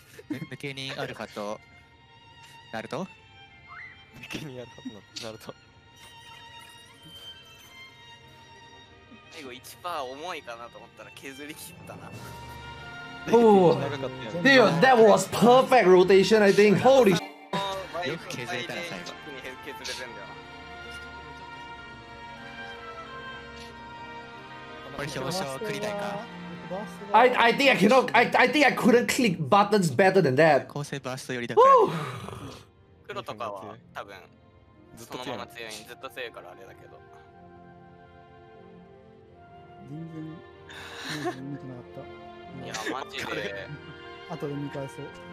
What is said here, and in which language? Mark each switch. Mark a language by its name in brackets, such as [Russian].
[Japanese] 抜けにアルファとナルト抜けにアルファとナルト最後 1% 重いかなと思ったら削り切ったな。 [English] おお、ね、Dude, that was perfect rotation, I think. Holy shit! [Japanese] よく削れたな、最後。削れてんだよ。 [English] I think I cannot. I think I couldn't click buttons better than that. [Japanese] 構成バーストより高い。黒とかは多分ずっとそのまま強い、ずっと強いからあれだけど。全然見てなかった。いやマジで。あとで見返そう。